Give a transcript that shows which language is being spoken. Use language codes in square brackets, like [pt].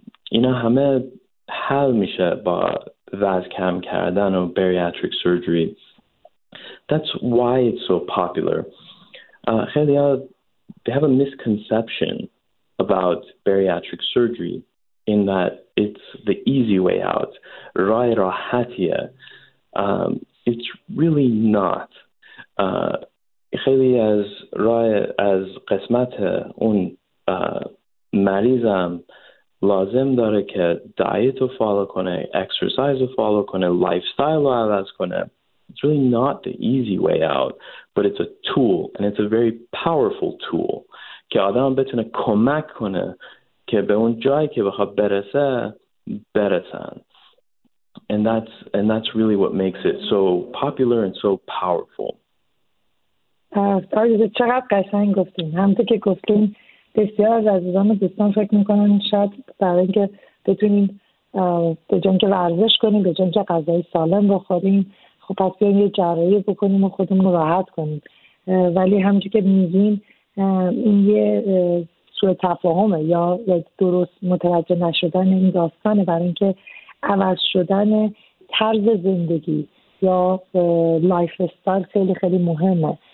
[fa] اینا همه حل میشه با وزن کم کردن و bariatric surgery. [en] That's why it's so popular. [fa] خیلی ها, [en] they have a misconception about bariatric surgery in that it's the easy way out. [fa] رای راحتیه. [en] It's really not. [fa] خیلی از رای از قسمت اون مریضم لازم داره که دایت رو فالو کنه، اکسرسایز رو فالو کنه، لایف استایل رو عوض کنه. [en] It's really not the easy way out, but it's a tool, and it's a very powerful tool. [fa] که آدم بتونه کمک کنه که به اون جایی که بخواد برسه برسن. [en] And that's really what makes it so popular and so powerful. [fa] آره، چقدر قشنگ گفتین. همونطور که گفتین بسیار از عزیزان و دوستان فکر میکنن شاید برای اینکه بتونیم به جای اینکه ورزش کنیم، به جای اینکه غذای سالم بخوریم، خب پس بیاییم یه جراحی بکنیم و خودمون راحت کنیم. ولی همونطور که میگین این یه سوء تفاهمه یا درست متوجه نشدن این داستانه، برای اینکه عوض شدن طرز زندگی یا لایف استایل خیلی خیلی مهمه.